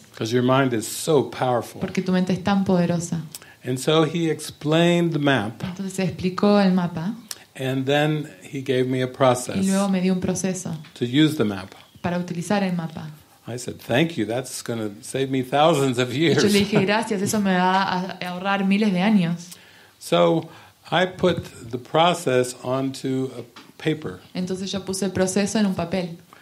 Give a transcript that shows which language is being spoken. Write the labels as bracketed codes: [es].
[en] Because your mind is so powerful. [es] Porque tu mente es tan poderosa. [en] And so he explained the map. [es] Entonces explicó el mapa. [en] And then he gave me a process. [es] Y luego me dio un proceso. [en] To use the map. [es] Para utilizar el mapa. [en] I said, "Thank you. That's going to save me thousands of years." [es] Yo le dije, "Gracias, eso me va a ahorrar miles de años." [en] So, I put the process onto a paper. [es] Entonces yo puse el proceso en un papel.